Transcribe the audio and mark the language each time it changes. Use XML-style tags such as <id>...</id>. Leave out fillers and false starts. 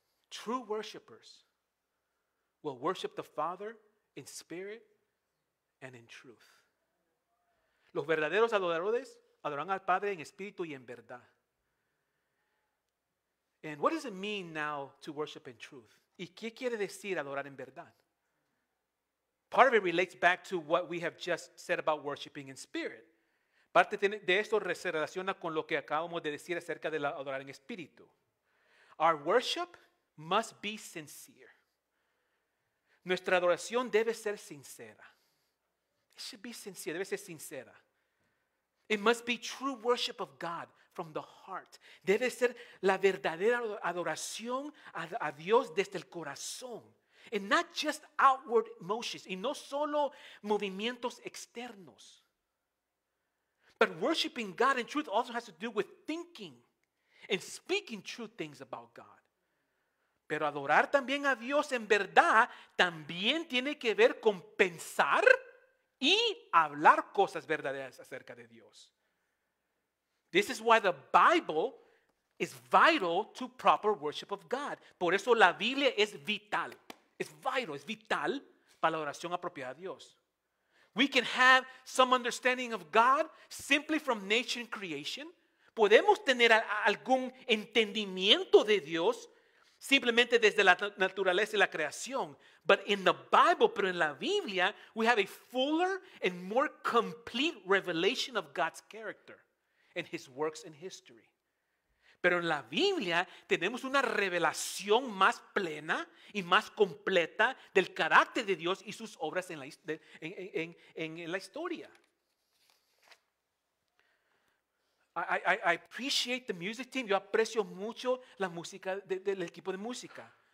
<en>True worshipers will worship the Father in spirit and in truth.</en> <es>Los verdaderos adoradores adoran al Padre en espíritu y en verdad.</es> <en>And what does it mean now to worship in truth?</en> <es>¿Y qué quiere decir adorar en verdad?</es> <en>Part of it relates back to what we have just said about worshiping in spirit.</en> <es>Parte de esto se relaciona con lo que acabamos de decir acerca de adorar en espíritu.</es> <en>Our worship must be sincere.</en> <es>Nuestra adoración debe ser sincera.</es> <en>It should be sincere.</en> <es>Debe ser sincera.</es> <en>It must be true worship of God from the heart.</en> <es>Debe ser la verdadera adoración a Dios desde el corazón.</es> <en>And not just outward motions.</en> <es>Y no solo movimientos externos.</es> <en>But worshiping God in truth also has to do with thinking and speaking true things about God.</en> <es>Pero adorar también a Dios en verdad también tiene que ver con pensar y hablar cosas verdaderas acerca de Dios.</es> <en>This is why the Bible is vital to proper worship of God.</en> <es>Por eso la Biblia es vital. Es vital, es vital para la adoración apropiada a Dios.</es> <en>We can have some understanding of God simply from nature and creation.</en> <es>Podemos tener algún entendimiento de Dios simplemente desde la naturaleza y la creación.</es> <en>But in the Bible,</en> <es>pero en la Biblia,</es> <en>we have a fuller and more complete revelation of God's character and his works in history.</en> <es>Pero en la Biblia, tenemos una revelación más plena y más completa del carácter de Dios y sus obras en la historia.</es> <en>I appreciate the music team.</en> <es>Yo aprecio mucho la música del equipo de música.</es>